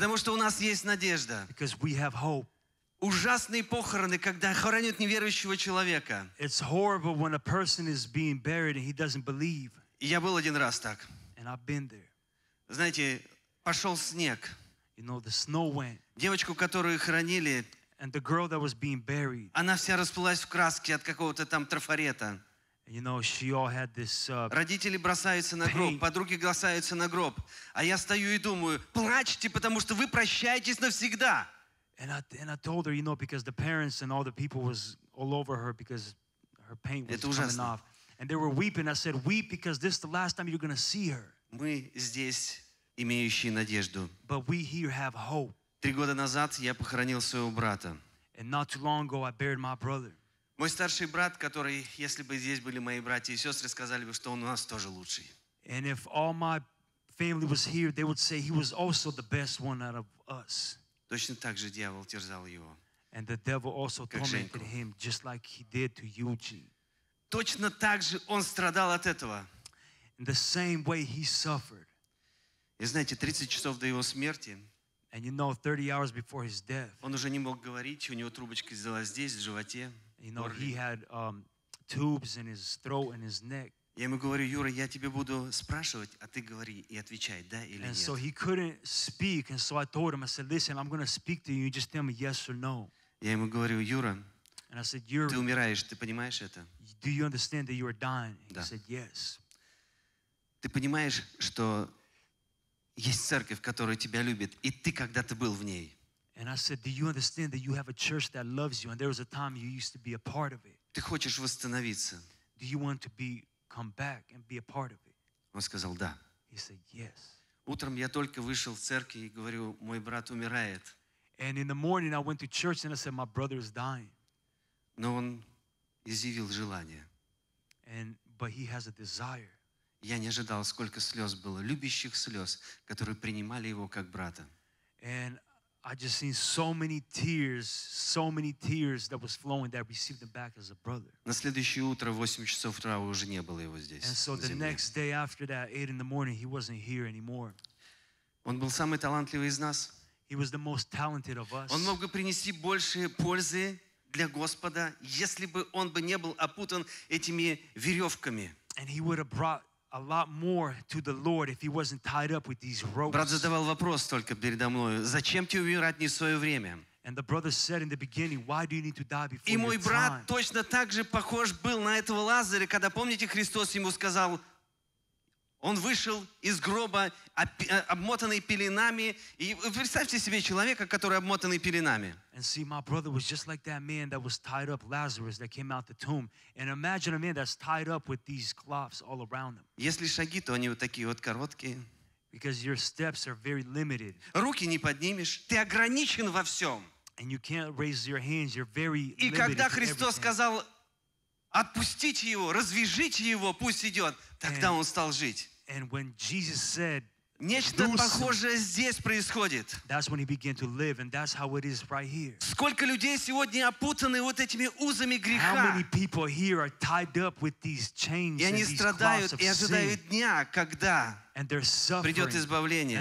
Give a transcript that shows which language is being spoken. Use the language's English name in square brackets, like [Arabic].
[Russian] Потому что у нас есть надежда. [English] Because we have hope. [Russian] Ужасные похороны, когда хоронят неверующего человека. [English] It's horrible when a person is being buried and he doesn't believe. [Russian] И я был один раз так. [English] And I've been there. [Russian] Знаете, пошел снег. [English] You know, the snow went. [Russian] Девочку, которую хоронили, [English] and the girl that was being buried. [Russian] Она вся расплылась в краске от какого-то там трафарета. [English] You know, she all had this, [Russian] родители бросаются на гроб, подруги бросаются на гроб. А я стою и думаю, плачьте, потому что вы прощаетесь навсегда. [English] And I told her, you know, because the parents and all the people was all over her because her pain was coming off. And they were weeping. I said, weep because this is the last time you're going to see her. [Russian] Мы здесь, имеющие надежду. [English] But we here have hope. [Russian] 3 года назад я похоронил своего брата. [English] And not too long ago I buried my brother. [Russian] Мой старший брат, который, если бы здесь были мои братья и сестры, сказали бы, что он у нас тоже лучший. [English] And if all my family was here, they would say he was also the best one out of us. [Russian] Точно так же дьявол терзал его. [English] And the devil also tormented him, just like he did to Eugene. [Russian] Точно так же он страдал от этого. [English] In the same way he suffered. [Russian] И знаете, 30 часов до его смерти, [English] and you know, 30 hours before his death, [Russian] он уже не мог говорить, у него трубочка сделала здесь, в животе. [English] You know, he had tubes in his throat and his neck. [Russian] Я ему говорю, Юра, я тебе буду спрашивать, а ты говори и отвечай, да или нет. [English] And so he couldn't speak, and so I told him, I said, listen, I'm going to speak to you, you just tell me yes or no. [Russian] Я ему говорю, Юра, [English] and I said, Юра, [Russian] ты умираешь, ты понимаешь это? [English] Do you understand that you are dying? [Russian] Да. [English] He said, yes. [Russian] Ты понимаешь, что есть церковь, которая тебя любит, и ты когда-то был в ней. [English] And I said, do you understand that you have a church that loves you, and there was a time you used to be a part of it? [Russian] Ты хочешь восстановиться? [English] Do you want to come back and be a part of it? [Russian] Он сказал, да. [English] He said, yes. [Russian] Утром я только вышел в церкви и говорю, мой брат умирает. [English] And in the morning I went to church and I said, my brother is dying. [Russian] Но он изъявил желание. [English] But he has a desire. [Russian] Я не ожидал, сколько слез было, любящих слез, которые принимали его как брата. [English] And I just seen so many tears that was flowing that received him back as a brother. [Russian] На следующее утро, 8 часов утра, уже не было его здесь. [English] And so the next day after that, 8 in the morning, he wasn't here anymore. [Russian] Он был самый талантливый из нас. [English] He was the most talented of us. [Russian] Он мог бы принести больше пользы для Господа, если бы он бы не был опутан этими веревками. [English] And he would have brought a lot more to the Lord if he wasn't tied up with these ropes. [Russian] Брат задавал вопрос только передо мною. Зачем тебе умирать не в свое время? [English] And the brother said in the beginning, why do you need to die before your time? [Russian] И мой брат точно так же похож был на этого Лазаря, когда, помните, Христос ему сказал, он вышел из гроба, обмотанный пеленами. И представьте себе человека, который обмотанный пеленами. [English] And see, my brother was just like that man that was tied up, Lazarus, that came out the tomb. And imagine a man that's tied up with these cloths all around him. [Russian] Если шаги, то они вот такие вот короткие. [English] Because your steps are very limited. [Russian] Руки не поднимешь, ты ограничен во всем. [English] And you can't raise your hands, you're very limited. [Russian] И когда Христос сказал, отпустите его, развяжите его, пусть идет, тогда он стал жить. [English] And when Jesus said, [Russian] нечто похожее здесь происходит. [English] That's when he began to live, and that's how it is right here. [Russian] Сколько людей сегодня опутаны вот этими узами греха? [English] How many people here are tied up with these chains and these cloths of sin? [Russian] И они страдают и ожидают дня, когда придет избавление.